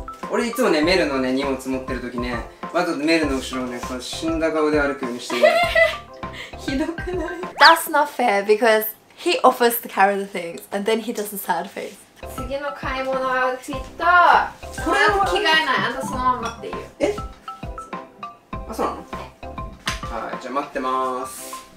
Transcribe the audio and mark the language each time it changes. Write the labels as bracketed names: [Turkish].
[Japanese] 俺いつもね、メルのね、荷物持ってる時ね、わざとメルの後ろをね、こう死んだ顔で歩くようにしてる。ひどくない？ [English] That's not fair because he offers to carry the things and then he does a sad face. [Japanese] 次の買い物アウトフィット、これは着替えない、あんたそのまま待っていいよ。え？あ、そうなの？はい、じゃあ待ってます。